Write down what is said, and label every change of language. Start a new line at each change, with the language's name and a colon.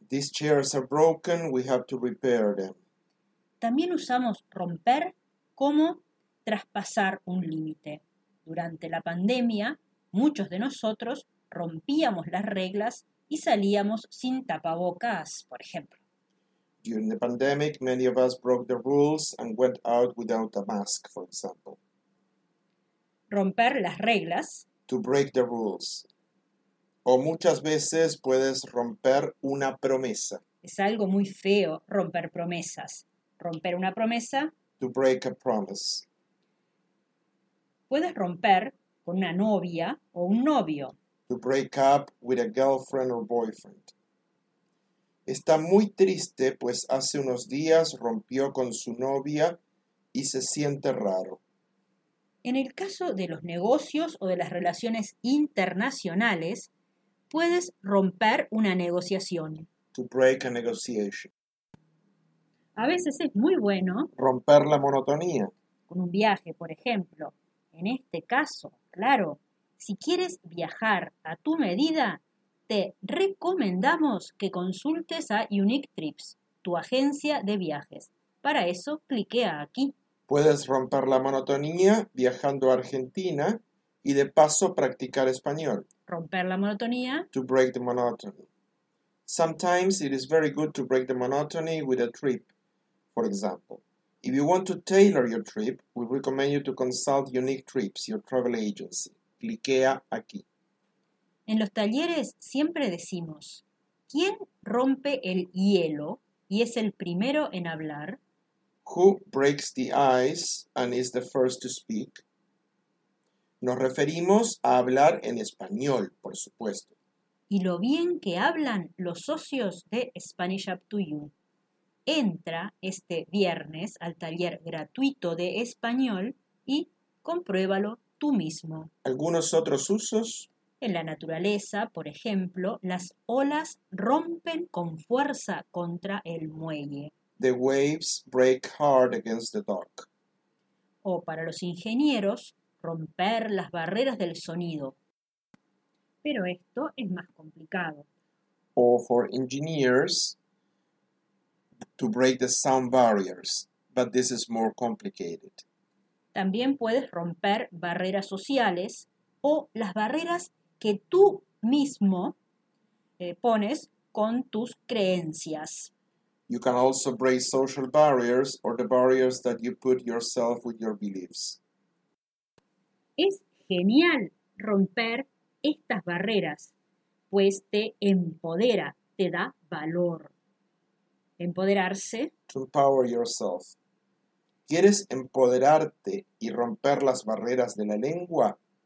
English: These chairs are broken. We have to repair them.
Spanish: También usamos romper como traspasar un límite. Durante la pandemia, muchos de nosotros rompíamos las reglas y salíamos sin tapabocas, por ejemplo.
English: During the pandemic, many of us broke the rules and went out without a mask, for example.
Spanish: Romper las reglas.
English: To break the rules.
Spanish: O muchas veces puedes romper una promesa. Es algo muy feo romper promesas. Romper una promesa.
English: To break a promise.
Spanish: Puedes romper con una novia o un novio.
English: To break up with a girlfriend or boyfriend.
Spanish: Está muy triste, pues hace unos días rompió con su novia y se siente raro. En el caso de los negocios o de las relaciones internacionales, puedes romper una negociación. To break a negotiation. A veces es muy bueno Romper la monotonía. con un viaje, por ejemplo. En este caso, claro, si quieres viajar a tu medida, te recomendamos que consultes a Unique Trips, tu agencia de viajes. Para eso, cliquea aquí. Puedes romper la monotonía viajando a Argentina y de paso practicar español. Romper la monotonía.
English: To break the monotony. Sometimes it is very good to break the monotony with a trip, for example. If you want to tailor your trip, we recommend you to consult Unique Trips, your travel agency.
Spanish: Cliquea aquí. En los talleres siempre decimos, ¿quién rompe el hielo y es el primero en hablar?
English: Who breaks the ice and is the first to speak?
Spanish: Nos referimos a hablar en español, por supuesto. Y lo bien que hablan los socios de Spanish Up to You. Entra este viernes al taller gratuito de español y compruébalo tú mismo. ¿Algunos otros usos? En la naturaleza, por ejemplo, las olas rompen con fuerza contra el muelle.
English: The waves break hard against the dock.
Spanish: O para los ingenieros, romper las barreras del sonido. Pero esto es más complicado.
English: O for engineers to break the sound barriers, but this is more complicated.
Spanish: También puedes romper barreras sociales o las barreras que tú mismo pones con tus creencias.
English: You can also break social barriers or the barriers that you put yourself with your beliefs.
Spanish: Es genial romper estas barreras, pues te empodera, te da valor. Empoderarse.
English: To empower yourself.
Spanish: ¿Quieres empoderarte y romper las barreras de la lengua?